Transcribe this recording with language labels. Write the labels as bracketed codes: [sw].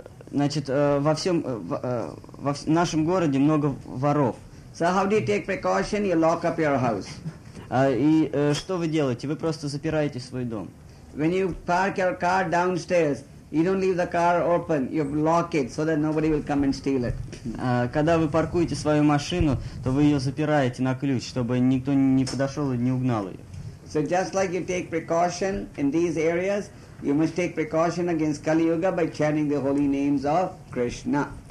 [ru] Значит, во всем в нашем городе много воров. [en] So how do you take precaution? You lock up your house. [ru] Что вы делаете? Вы просто запираете свой дом. [en] When you park your car downstairs, you don't leave the car open, you lock it so that nobody will come and steal it. [ru] Когда вы паркуете свою машину, то вы ее запираете на ключ, чтобы никто не подошел и не угнал ее. [en] So just like you take precaution in these areas, you must take precaution against Kali Yuga by chanting the holy names of Krishna.